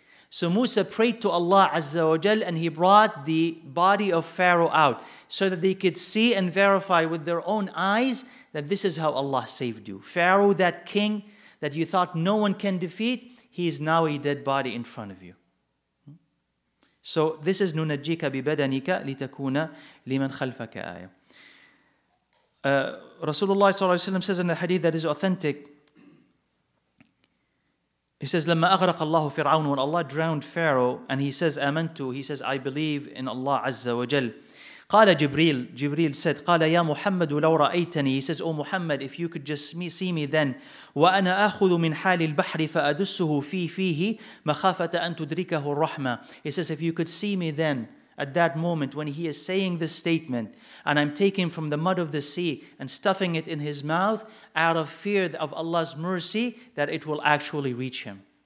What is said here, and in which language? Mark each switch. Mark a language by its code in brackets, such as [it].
[en] So Musa prayed to Allah Azza wa Jal, and he brought the body of Pharaoh out so that they could see and verify with their own eyes that this is how Allah saved you. Pharaoh, that king that you thought no one can defeat, he is now a dead body in front of you. So this is [ar] نُنَجِّيكَ بِبَدَنِكَ لِتَكُونَ لِمَنْ خَلْفَكَ آيَةٌ. [en] Rasulullah صلى الله عليه وسلم says in a hadith that is authentic, he says, [ar] لَمَّا أَغْرَقَ اللَّهُ فِرْعَوْنُ. [en] When Allah drowned Pharaoh, and he says, [ar] آمَنْتُ, [en] he says, I believe in Allah Azza wa Jal. [ar] قَالَ Jibreel said, قَالَ يَا مُحَمَّدُ لَوْ رَأَيْتَنِي. [en] He says, O Muhammad, if you could just see me then. [ar] وَأَنَا أَخُذُ مِنْ حَالِ الْبَحْرِ فَأَدُسُّهُ فِيهِ مَخَافَةَ أَن تُدْرِكَهُ الرَّحْمَةُ. [en] He says, if you could see me then, at that moment when he is saying this statement, and I'm taking from the mud of the sea and stuffing it in his mouth out of fear of Allah's mercy, that it will actually reach him.